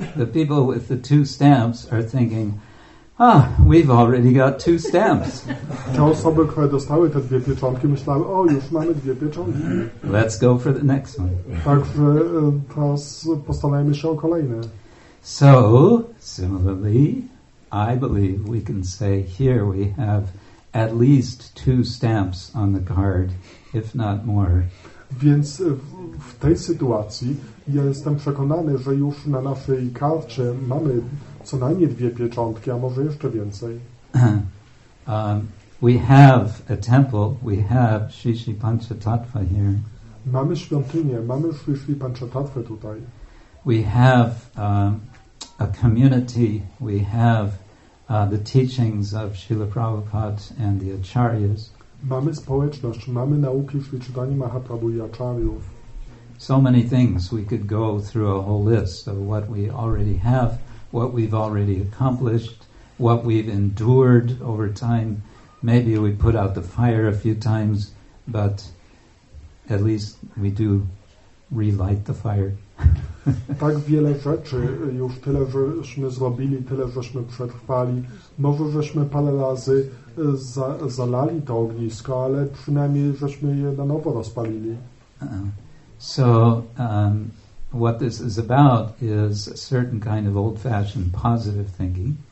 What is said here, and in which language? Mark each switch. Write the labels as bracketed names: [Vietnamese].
[English] The people with the 2 stamps are thinking, ah, we've already got 2 stamps. [Polish] Te osoby, które dostały te 2 pieczątki, myślały, o, już mamy 2 pieczątki. [English] Let's go for the next one. [Polish] Także teraz postanawiamy się o kolejne. [English] So, similarly, I believe we can say here we have at least 2 stamps on the card, if not more. [Polish] Więc w tej sytuacji ja jestem przekonany, że już na naszej karcie mamy co najmniej 2 pieczątki, a może jeszcze więcej. [English] We have a temple, we have Shri Shri Panchatattva here. [Polish] Mamy świątynię, mamy Shri Shri Panchatattva tutaj. [English] We have a community, we have the teachings of Srila Prabhupada and the Acharyas. [Polish] Mamy społeczność, mamy nauki Shri Chaitanya Mahaprabhu i Acharyów. [English] So many things, we could go through a whole list of what we already have, what we've already accomplished, what we've endured over time. Maybe we put out the fire a few times, but at least we do relight the fire. [Polish] Tak wiele rzeczy, już tyle żeśmy zrobili, tyle żeśmy przetrwali. Może żeśmy parę razy zalali to ognisko, ale przynajmniej żeśmy je na nowo rozpalili. [English] What this is about is a certain kind of old-fashioned positive thinking.